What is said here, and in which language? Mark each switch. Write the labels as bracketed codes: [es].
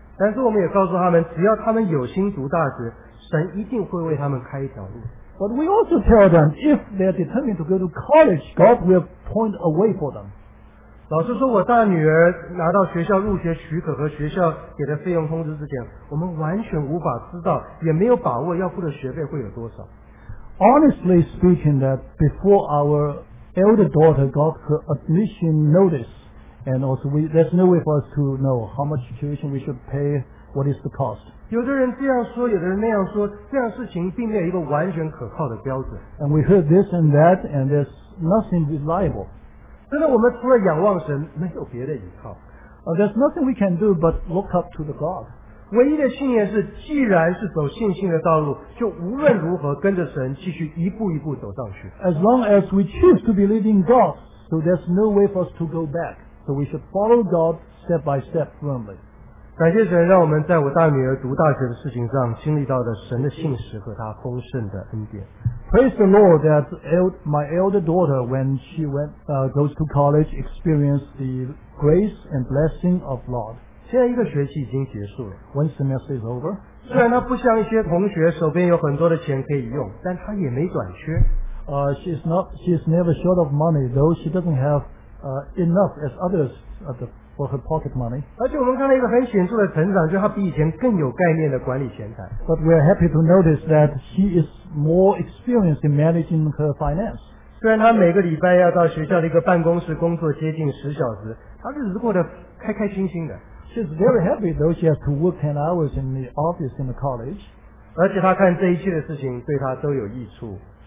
[zh] 但是我们也告诉他们，只要他们有心读大学，神一定会为他们开一条路。 [en] But we also tell them, if they're determined to go to college, God will point a way for them. [zh] 老实说，我大女儿拿到学校入学许可和学校给的费用通知之前，我们完全无法知道，也没有把握要付的学费会有多少。 [en] Honestly speaking, that before our elder daughter got her admission notice, and also there's no way for us to know how much tuition we should pay, what is the cost. [zh] 有的人这样说，有的人那样说，这样事情并没有一个完全可靠的标准。 [en] And we heard this and that, and there's nothing reliable. [zh] 真的，我们除了仰望神，没有别的依靠。 [en] There's nothing we can do but look up to the God. [zh] 唯一的信念是，既然是走信心的道路，就无论如何跟着神继续一步一步走上去。 [en] As long as we choose to believe in God, So there's no way for us to go back. So we should follow God step by step firmly. [zh] 感谢神让我们在我大女儿读大学的事情上经历到的神的信实和她丰盛的恩典。 [en] Praise the Lord that my elder daughter, when she went, goes to college, experienced the grace and blessing of God. [zh] 现在一个学期已经结束了。 [en] One semester is over. [zh] 虽然她不像一些同学手边有很多的钱可以用，但她也没短缺。 [en] She's never short of money, though she doesn't have enough as others at the, for her pocket money. [zh] 而且我们看到一个很显著的成长，就是她比以前更有概念的管理钱财。 [en] But we are happy to notice that she is more experienced in managing her finance. [zh] 虽然她每个礼拜要到学校的一个办公室工作接近十小时，她日子过得开开心心的。 [en] She's very happy, though she has to work 10 hours in the office in the college. [zh] 而且她看这一切的事情对她都有益处。